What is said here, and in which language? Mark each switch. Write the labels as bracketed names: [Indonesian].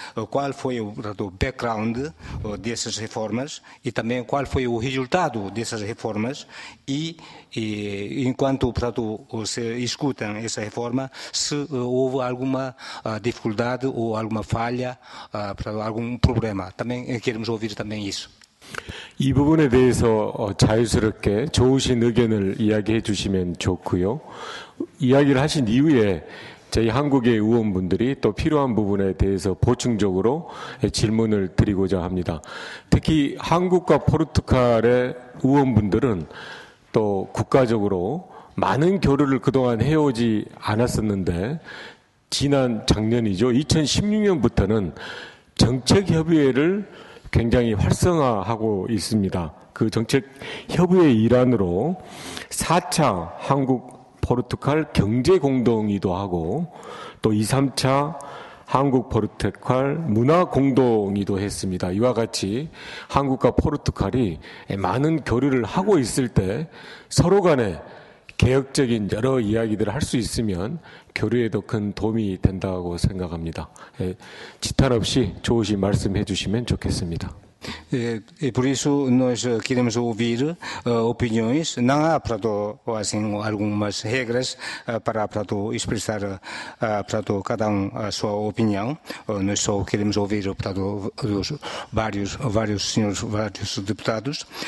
[Portuguese] qual foi o background dessas reformas e também qual foi o resultado dessas reformas e enquanto, portanto, se escutam essa reforma, se houve alguma dificuldade ou alguma falha, portanto, algum problema. Também queremos ouvir também isso. [Korean] 이 부분에 대해서 자유스럽게 좋으신 의견을 이야기해 주시면 좋고요. 이야기를 하신 이후에 저희 한국의 의원분들이 또 필요한 부분에 대해서 보충적으로 질문을 드리고자 합니다. 특히 한국과 포르투갈의 의원분들은 또 국가적으로 많은 교류를 그동안 해오지 않았었는데 지난 작년이죠. 2016년부터는 정책협의회를 굉장히 활성화하고 있습니다. 그 정책협의회 일환으로 4차 한국-포르투갈 경제공동이기도 하고 또 2, 3차 한국-포르투갈 문화공동이기도 했습니다. 이와 같이 한국과 포르투갈이 많은 교류를 하고 있을 때 서로 간에 개혁적인 여러 이야기들을 할 수 있으면 교류에도 큰 도움이 된다고 생각합니다. 지탄 없이 좋으신 말씀 해주시면 좋겠습니다. [Portuguese] E por isso nós queremos ouvir opiniões. Não há algumas regras para expressar cada um a sua opinião. Nós só queremos ouvir dos vários senhores, vários deputados.